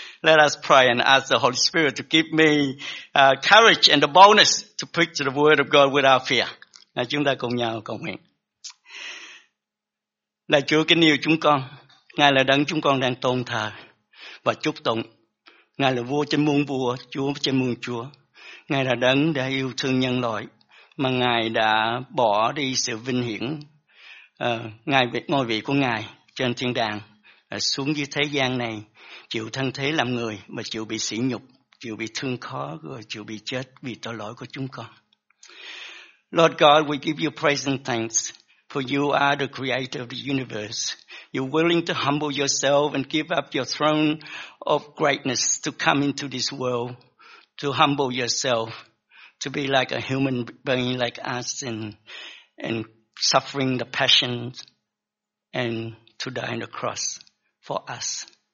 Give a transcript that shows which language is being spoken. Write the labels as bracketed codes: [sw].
[en] Let us pray and ask the Holy Spirit to give me courage and the boldness to preach the word of God without fear. [vi] Chúng ta cùng nhau cầu nguyện. Lạy Chúa kính yêu chúng con, Ngài là đấng chúng con đang tôn thờ và chúc tụng. Ngài là vua trên muôn vua, Chúa trên muôn Chúa. Ngài là đấng đã yêu thương nhân loại mà Ngài đã bỏ đi sự vinh hiển. Ngài ngôi vị của Ngài trên thiên đàng xuống dưới thế gian này, chịu thân thế làm người và chịu bị sỉ nhục, chịu bị thương khó rồi chịu bị chết vì tội lỗi của chúng con. [en] Lord God, we give you praise and thanks. For you are the creator of the universe. You're willing to humble yourself and give up your throne of greatness to come into this world, to humble yourself, to be like a human being like us and suffering the passions and to die on the cross for us.